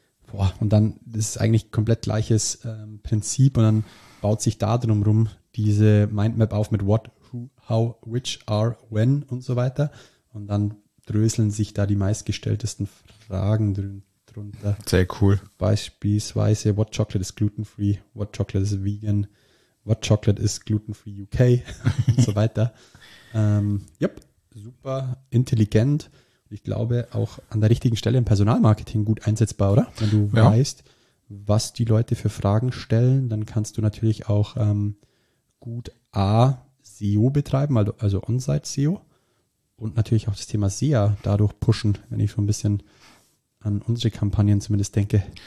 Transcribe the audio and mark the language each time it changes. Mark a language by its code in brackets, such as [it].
[de] Boah, und dann ist eigentlich komplett gleiches Prinzip und dann baut sich da drumherum diese Mindmap auf mit [en] What, Who, How, Which, Are, When [de] und so weiter. Und dann dröseln sich da die meistgestelltesten Fragen drunter. Sehr cool. Beispielsweise, [en] What Chocolate is gluten-free? What Chocolate is vegan? What Chocolate is gluten-free UK? [de] Und so weiter. Yep, super intelligent. Ich glaube, auch an der richtigen Stelle im Personalmarketing gut einsetzbar, oder? Wenn du weißt, was die Leute für Fragen stellen, dann kannst du natürlich auch gut A, SEO betreiben, also On-Site-SEO und natürlich auch das Thema SEA dadurch pushen, wenn ich so ein bisschen an unsere Kampagnen zumindest denke.